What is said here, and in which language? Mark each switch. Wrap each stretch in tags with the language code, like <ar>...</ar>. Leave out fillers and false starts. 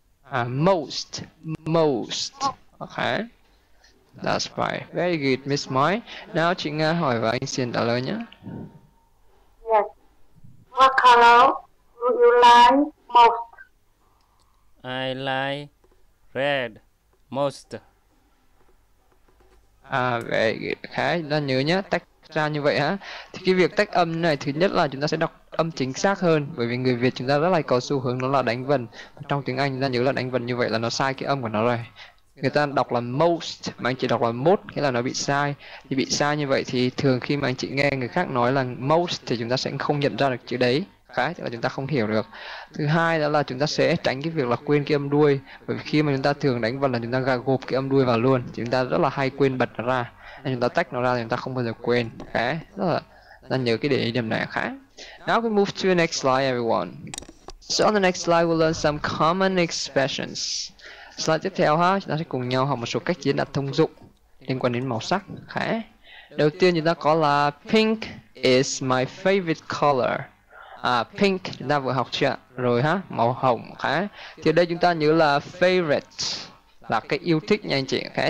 <en>Most, most, okay, that's right, very good, Miss Mai.</en> <vi>Now, chị Nga hỏi và anh Xin trả lời nhé.</vi> <en>Yes, what color do you like most? I like red most. Very good,</en> <vi>okay, chúng ta nhớ nhé, tách ra như vậy hả? Thì cái việc tách âm này, thứ nhất là chúng ta sẽ đọc âm chính xác hơn, bởi vì người Việt chúng ta rất là có xu hướng đó là đánh vần. Trong tiếng Anh chúng ta nhớ là đánh vần như vậy là nó sai cái âm của nó rồi. Người ta đọc là most mà anh chị đọc là most, nghĩa là nó bị sai. Thì bị sai như vậy thì thường khi mà anh chị nghe người khác nói là most thì chúng ta sẽ không nhận ra được chữ đấy, cái là chúng ta không hiểu được. Thứ hai đó là chúng ta sẽ tránh cái việc là quên cái âm đuôi, bởi vì khi mà chúng ta thường đánh vần là chúng ta gộp cái âm đuôi vào luôn, chúng ta rất là hay quên bật nó ra. Nên chúng ta tách nó ra thì chúng ta không bao giờ quên. Okay. Đó là ta nhớ cái để ý điểm này khá.</vi> <en>Now we move to the next slide everyone. So on the next slide we'll learn some common expressions.</en> <vi>Slide tiếp theo ha, chúng ta sẽ cùng nhau học một số cách diễn đạt thông dụng liên quan đến màu sắc. Okay. Đầu tiên chúng ta có là</vi> <en>pink is my favorite color.</en> <vi>Pink chúng ta vừa học chưa rồi ha, màu hồng. Okay. Thì ở đây chúng ta nhớ là favorite là cái yêu thích nha anh chị. Okay.</vi>